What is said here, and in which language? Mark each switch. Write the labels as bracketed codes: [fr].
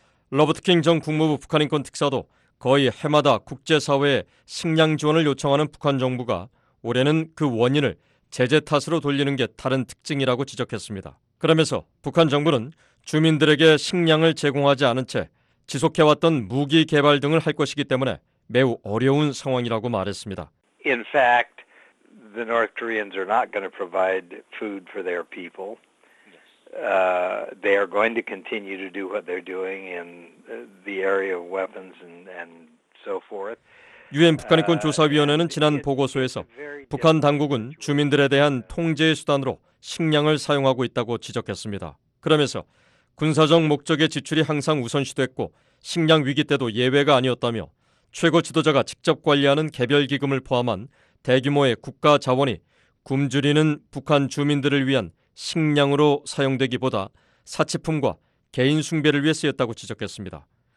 [ko] 로버트 킹 전 국무부 북한인권특사도 거의 해마다 국제사회에 식량 지원을 요청하는 북한 정부가 올해는 그 원인을 제재 탓으로 돌리는 게 다른 특징이라고 지적했습니다. 그러면서 북한 정부는 주민들에게 식량을 제공하지 않은 채 지속해왔던 무기 개발 등을 할 것이기 때문에 매우 어려운 상황이라고 말했습니다. [en] In fact, the North Koreans are not going to provide food for their people. They are going to continue to do what they're doing in the area of weapons and so forth. [ko] 유엔 북한인권 조사위원회는 지난 보고서에서 북한 당국은 주민들에 대한 통제의 수단으로 식량을 사용하고 있다고 지적했습니다. 그러면서 군사적 목적의 지출이 항상 우선시됐고 식량 위기 때도 예외가 아니었다며 최고 지도자가 직접 관리하는 개별기금을 포함한 대규모의 국가 자원이 굶주리는 북한 주민들을 위한 식량으로 사용되기보다 사치품과 개인 숭배를 위해 쓰였다고 지적했습니다.